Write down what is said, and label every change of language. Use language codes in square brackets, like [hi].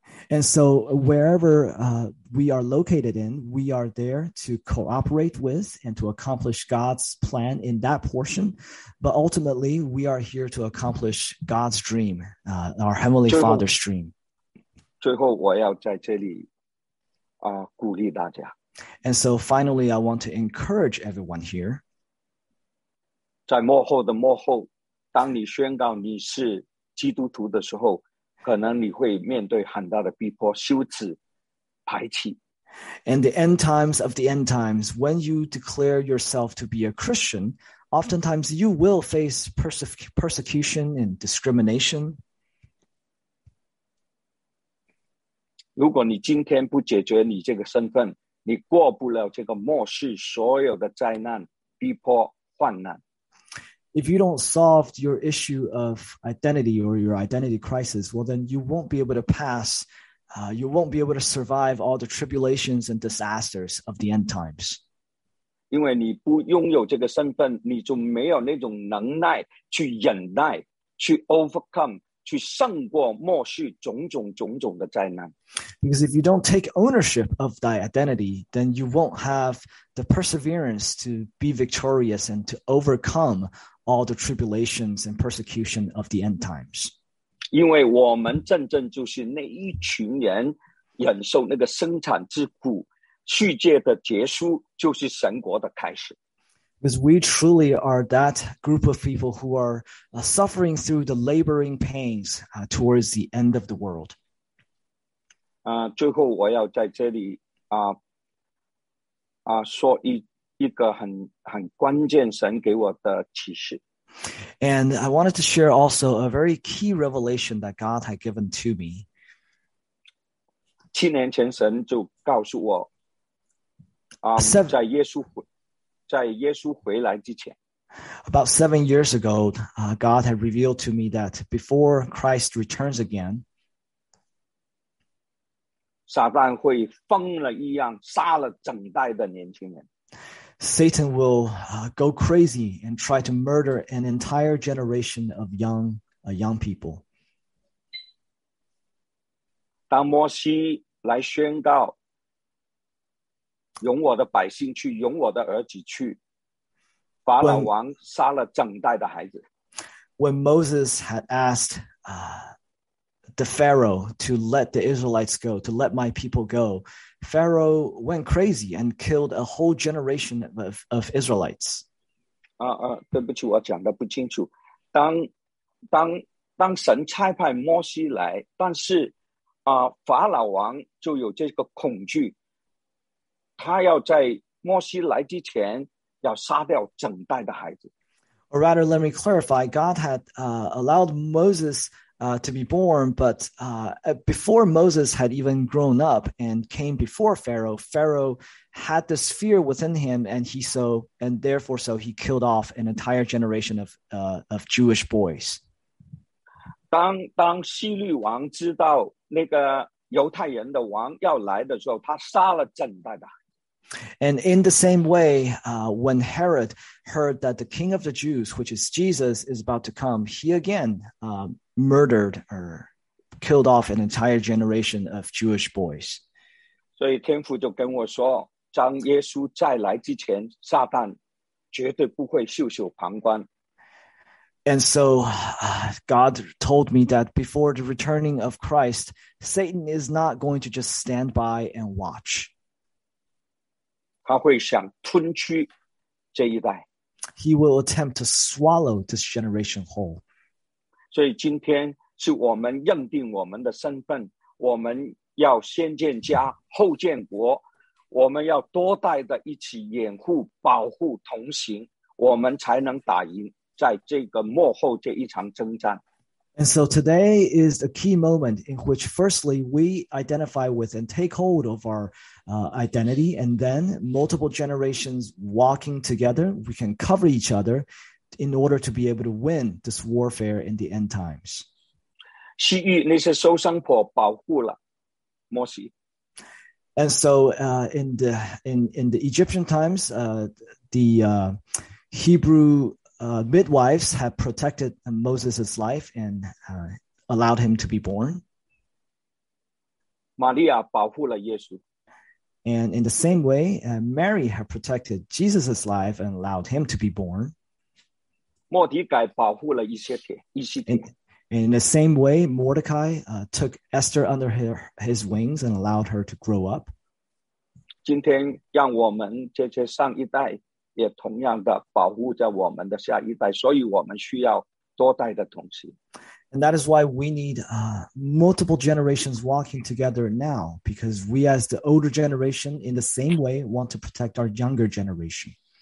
[en] And so wherever we are located in, we are there to cooperate with and to accomplish God's plan in that portion. But ultimately, we are here to accomplish God's dream, our Heavenly Father's dream. [zh] 最后我要在这里鼓励大家。 [en] And so finally, I want to encourage everyone here. [zh] 在幕后的幕后，当你宣告你是基督徒的时候，可能你会面对很大的逼迫、羞耻、排斥。 [en] And the end times of the end times, when you declare yourself to be a Christian, oftentimes you will face persecution and discrimination. [zh] 如果你今天不解决你这个身份，你过不了这个末世所有的灾难、逼迫、患难。 [en] If you don't solve your issue of identity or your identity crisis, well, then you won't be able to pass, you won't be able to survive all the tribulations and disasters of the end times. [zh] 因为你不拥有这个身份，你就没有那种能耐去忍耐，去 [en] overcome, [zh] 去胜过末世种种种种的灾难。 [en] Because if you don't take ownership of thy identity, then you won't have the perseverance to be victorious and to overcome all the tribulations and persecution of the end times. [zh] 因为我们真正就是那一群人忍受那个生产之苦，世界的结束就是神国的开始。 [en] Because we truly are that group of people who are suffering through the laboring pains towards the end of the world. [zh] 最后我要在这里说一个很关键神给我的启示。 [en] And I wanted to share also a very key revelation that God had given to me. [zh] 七年前神就告诉我在耶稣回来之前。 [en] About 7 years ago, God had revealed to me that before Christ returns again, [zh] 撒旦会疯了一样杀了整代的年轻人。 [en] Satan will go crazy and try to murder an entire generation of young people. [zh] 当摩西来宣告，容我的百姓去，容我的儿子去，法老王杀了整代的孩子。 [en] When Moses had asked the Pharaoh to let the Israelites go, to let my people go, Pharaoh went crazy and killed a whole generation of Israelites. [zh] 对不起，我讲的不清楚。当神差派摩西来，但是法老王就有这个恐惧，他要在摩西来之前要杀掉整代的孩子。 [en] Or rather, let me clarify. God had allowed Moses to be born, but before Moses had even grown up and came before Pharaoh, Pharaoh had this fear within him, and therefore he killed off an entire generation of Jewish boys. [zh] 当希律王知道那个犹太人的王要来的时候，他杀了整代的。 [en] And in the same way, when Herod heard that the king of the Jews, which is Jesus, is about to come, he again murdered or killed off an entire generation of Jewish boys. [zh] 所以天父就跟我说，当耶稣再来之前，撒旦绝对不会袖手旁观。 [en] And so God told me that before the returning of Christ, Satan is not going to just stand by and watch. [zh] 他会想吞吃这一代。 [en] He will attempt to swallow this generation whole. [zh] 所以今天是我们认定我们的身份，我们要先建家，后建国，我们要多代的一起掩护、保护、同行，我们才能打赢在这个末后这一场征战。 [en] And so today is a key moment in which firstly we identify with and take hold of our identity, and then multiple generations walking together, we can cover each other in order to be able to win this warfare in the end times. [zh] 西域那些受伤婆保护了摩西。 [en] And so in the Egyptian times, the Hebrew midwives had protected Moses' life and allowed him to be born. [zh] Maria 保护了耶稣。 [en] And in the same way, Mary had protected Jesus' life and allowed him to be born. [zh] 莫迪改保护了以西帖。 [en] And in the same way, Mordecai took Esther under his wings and allowed her to grow up. [zh] 今天让我们这些上一代也同样的保护着我们的下一代，所以我们需要多代的同心。 [en] And that is why we need multiple generations walking together now, because we as the older generation in the same way want to protect our younger generation.